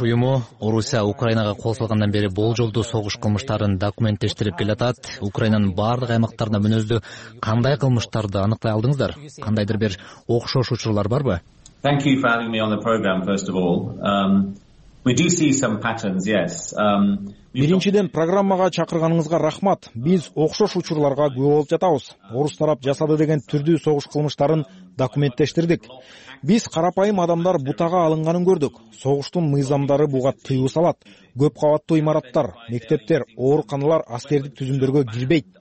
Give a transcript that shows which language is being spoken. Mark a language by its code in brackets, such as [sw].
[ky] уюму Орусия Украинага кошулгандан бери болжолдуу согуш кылмыштарын документтештирип келатат. Украинанын бардык аймактарында мүнөздүү кандай кылмыштарды аныктай алдыңыздар? Кандайдыр бир окшош учурлар барбы? [en] Thank you for having me on the program, first of all. We do see some patterns, yes. [ky] Биринчиден программага чакырганыңызга рахмат. Биз окшош учурларга күбө болуп жатабыз. Орус тарап жасады деген түрдүү согуш кылмыштарын документтештирдик. Биз карапайым адамдар бутага алынганын көрдүк. Согуштун мыйзамдары буга тыюу салат. Көп кабаттуу имараттар, мектептер, ооруканалар аскердик түзүмдөргө кирбейт.